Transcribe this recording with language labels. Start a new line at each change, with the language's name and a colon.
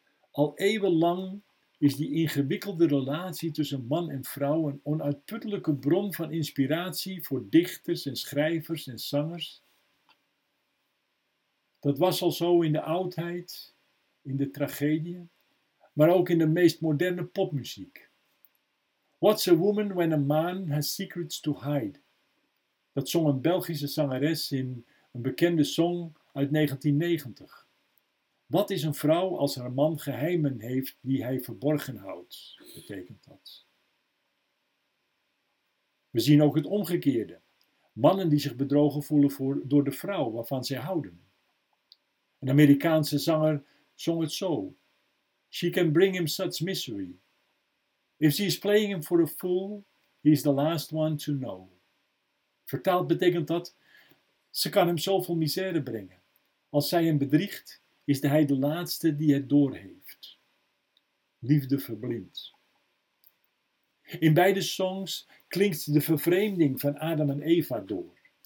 Dutch: Al eeuwenlang is die ingewikkelde relatie tussen man en vrouw een onuitputtelijke bron van inspiratie voor dichters en schrijvers en zangers. Dat was al zo in de oudheid, in de tragedie, maar ook in de meest moderne popmuziek.
English: What's a woman when a man has secrets to hide?
Dutch: Dat zong een Belgische zangeres in een bekende song uit 1990. Wat is een vrouw als haar man geheimen heeft die hij verborgen houdt, betekent dat. We zien ook het omgekeerde. Mannen die zich bedrogen voelen door de vrouw waarvan zij houden. Een Amerikaanse zanger zong het zo.
English: She can bring him such misery. If she is playing him for a fool, he is the last one to know.
Dutch: Vertaald betekent dat, ze kan hem zoveel misère brengen. Als zij hem bedriegt, is hij de laatste die het doorheeft. Liefde verblindt. In beide songs klinkt de vervreemding van Adam en Eva door.